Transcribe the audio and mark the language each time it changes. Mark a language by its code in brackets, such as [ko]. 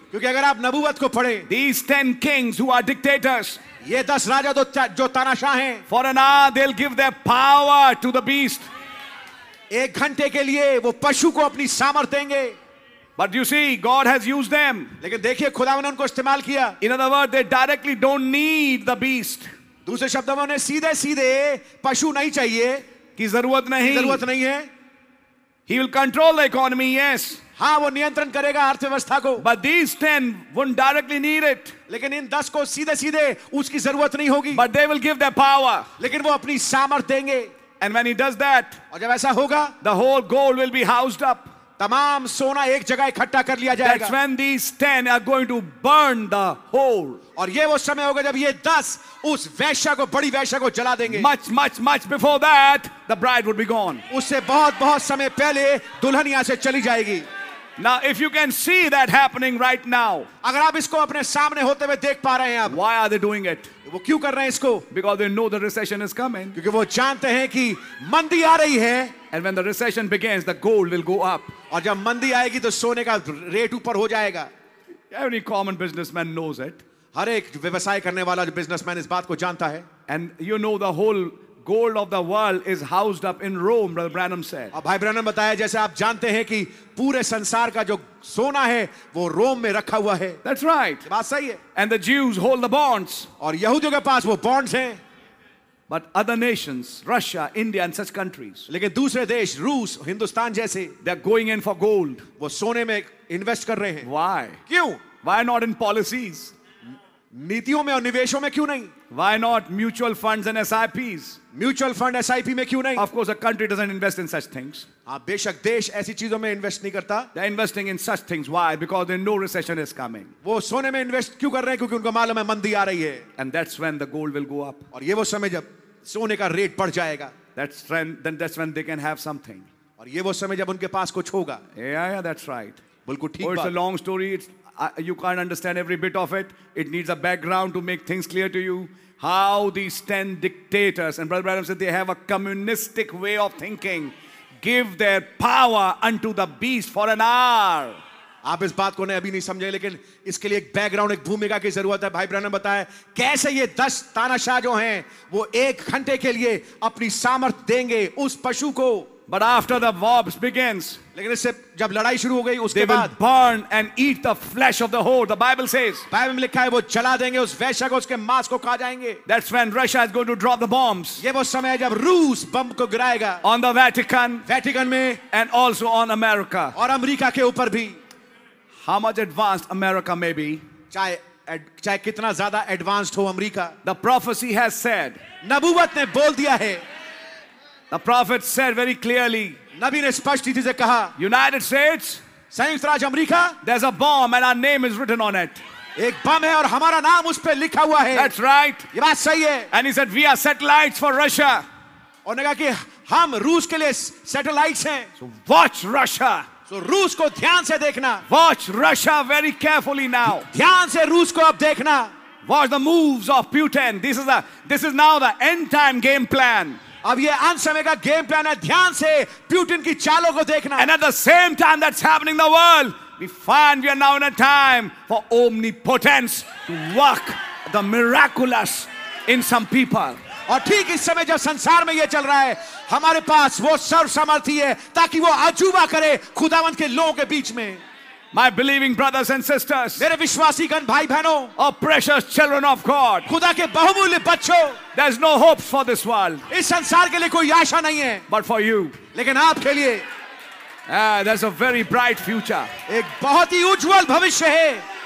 [hi] क्योंकि अगर आप नबुवत को पढ़े, [en] these 10 kings who are dictators, [hi] ये 10 राजा जो तानाशाह हैं, [en] for an hour they'll give their power to the beast. [hi] एक घंटे के लिए वो पशु को अपनी सामर्थ देंगे. [en] But you see, God has used them. [hi] लेकिन देखिए खुदा ने उनको इस्तेमाल किया. [en] In other words, they directly don't need the beast. [hi] दूसरे शब्दों में उन्हें सीधे सीधे पशु नहीं चाहिए कि जरूरत नहीं है. [en] He will control the economy, yes. [hi] हाँ, वो नियंत्रण करेगा अर्थव्यवस्था को. [en] But these 10 won't directly need it. [hi] लेकिन इन 10 को सीधे सीधे उसकी जरूरत नहीं होगी. [en] But they will give their power. [hi] लेकिन वो अपनी सामर्थ देंगे. [en] And when he does that, [hi] और जब ऐसा होगा, [en] the whole gold will be housed up. [hi] तमाम सोना एक जगह इकट्ठा कर लिया जाएगा. [en] That's when these 10 are going to burn the hole. [hi] और ये वो समय होगा जब ये 10 उस वेश्या को, बड़ी वेश्या को जला देंगे. [en] Much before that, the bride would be gone. [hi] उससे बहुत बहुत समय पहले दुल्हन यहां से चली जाएगी. [en] Now, if you can see that happening right now, [hi] अगर आप इसको अपने सामने होते हुए देख पा रहे हैं आप, [en] why are they doing it? [hi] वो क्यों कर रहे हैं इसको? [en] Because they know the recession is coming. [hi] क्योंकि वो जानते हैं कि मंदी आ रही है. [en] And when the recession begins, the gold will go up. [hi] और जब मंदी आएगी तो सोने का रेट ऊपर हो जाएगा. [en] Every common businessman knows it. [hi] हर एक व्यवसाय करने वाला बिजनेसमैन इस बात को जानता है. [en] And you know the whole gold of the world is housed up in Rome, Brother Branham said. [hi] अब भाई ब्रैनम बताया, जैसे आप जानते हैं कि पूरे संसार का जो सोना है वो रोम में रखा हुआ है. [en] That's right. [hi] बात सही है. [en] And the Jews hold the bonds. [hi] और यहूदियों के पास वो बॉन्ड्स हैं. [en] But other nations, Russia, India, and such countries, [hi] लेकिन दूसरे देश, रूस, हिंदुस्तान जैसे, [en] they are going in for gold. [hi] वो सोने में इन्वेस्ट कर रहे हैं. [en] Why? [hi] क्यों? [en] Why not in policies? [hi] नीतियों में और निवेशों में क्यों नहीं? [en] Why not mutual funds and SIPs? [hi] Mutual fund SIP में क्यों नहीं? [en] Of course, a country doesn't invest in such things. [hi] हाँ, बेशक देश ऐसी चीजों में इन्वेस्ट नहीं करता. [en] They are investing in such things. Why? Because they know recession is coming. [hi] वो सोने में इन्वेस्ट क्यों कर रहे हैं? क्योंकि उनको मालूम है मंदी आ रही है. [en] And that's when the gold will go up. [hi] और ये वो समय जब सोने का रेट बढ़ जाएगा. [en] That's when they can have something. [hi] और ये वो समय जब उनके पास कुछ होगा. [en] Yeah, that's right. [hi] बिल्कुल ठीक बात. [en] It's a long story. You can't understand every bit of it. It needs a background to make things clear to you. How these 10 dictators, and Brother Branham said they have a communistic way of thinking, give their power unto the beast for an hour. [hi] आप इस बात को ने अभी नहीं समझे, लेकिन इसके लिए एक बैकग्राउंड, एक भूमिका की जरूरत है. भाई ब्रैनम बताया कैसे ये 10 तानाशाह जो हैं वो एक घंटे के लिए अपनी सामर्थ देंगे उस पशु को. [en] But after the wars begins, [hi] लेकिन इससे जब लड़ाई शुरू हो गई उसके [en] they will [hi] बाद, [en] burn and eat the flesh of the whore, the Bible says. [hi] Bible में लिखा है वो चला देंगे उस वेश्या को, उसके मांस को खा जाएंगे. [en] That's when Russia is going to drop the bombs. [hi] ये वो समय है जब रूस बम को गिराएगा. [en] On the Vatican, [hi] वेटिकन में, [en] and also on America, [hi] और अमेरिका के ऊपर भी. [en] How much advanced America may be, [hi] चाहे कितना ज्यादा एडवांस्ड हो America, [en] the prophecy has said, [hi] नबुवत ने बोल दिया है. [en] The prophet said very clearly, [hi] नबी ने स्पष्ट रीति से कहा, [en] United States, [hi] संयुक्त राज्य America, [en] there's a bomb and our name is written on it. [hi] एक बम है और हमारा नाम उस पर लिखा हुआ है. [en] That's right. [hi] ये बात सही है. [en] And he said, we are satellites for Russia. [hi] और ने कहा कि हम रूस के लिए सैटेलाइट हैं. [en] So watch Russia. [hi] So रूस को ध्यान से देखना. [en] Watch Russia very carefully now. [hi] ध्यान से रूस को अब देखना. [en] Watch the moves of Putin. This is now the end time game plan. [hi] अब ये अंत समय का गेम प्लान है. ध्यान से प्यूटिन की चालों को देखना. [en] And at the same time that's happening the world, we find we are now in a time for omnipotence to work the miraculous in some people. [hi] और ठीक इस समय जब संसार में ये चल रहा है, हमारे पास वो सर्व सामर्थ्य है ताकि वो अजूबा करे खुदावंत के लोगों के बीच में. [en] My believing brothers and sisters, [hi] mere vishwasi gan bhai bhano, [en] our precious children of God, [hi] khuda ke bahumulya bachcho, [en] there's no hope for this world, [hi] is sansar ke liye koi aasha nahi hai, [en] but for you, [hi] lekin aapke liye, [en] there's a very bright future, [hi] ek bahut hi ujjwal bhavishya hai.